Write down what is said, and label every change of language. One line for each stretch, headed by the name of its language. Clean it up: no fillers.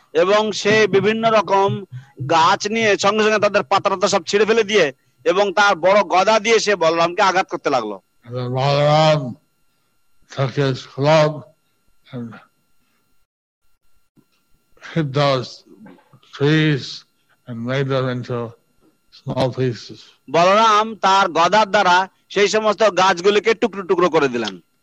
Bangla: এবং সে বিভিন্ন রকম গাছ নিয়ে সঙ্গে সঙ্গে তাদের পাতাটা সব ছিঁড়ে ফেলে দিয়ে এবং তার বড় গদা দিয়ে সে বলরামকে আঘাত করতে লাগলো.
English: Balaram took his club and hit those trees and made them into small pieces.
Bangla: Balaram তার গদার দ্বারা সেই সমস্ত গাছগুলিকে টুকরো টুকরো করে দিলেন.